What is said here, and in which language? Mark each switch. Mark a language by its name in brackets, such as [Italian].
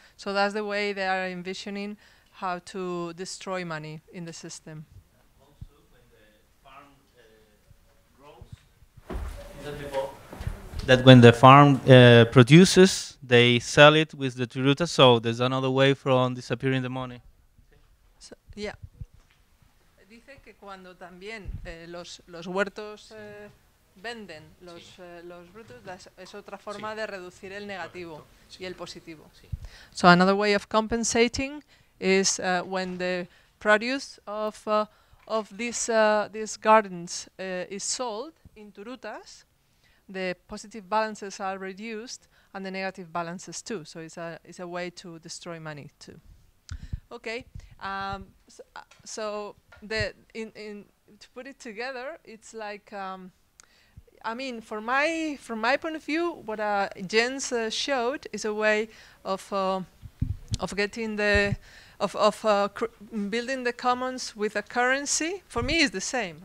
[English] So that's the way they are envisioning how to destroy money in the system. That when the farm produces, they sell it with the turuta, so there's another way from disappearing the money. So, yeah. [Spanish] Dice que cuando también los huertos venden los brutos, es otra forma de reducir el negativo y el positivo. [English] So another way of compensating is when the produce of these gardens is sold in turutas, the positive balances are reduced and the negative balances too. So it's a way to destroy money too. Okay, so to put it together, it's like, I mean, from my point of view, what Jens showed is a way of getting the, building the commons with a currency. For me, it's the same.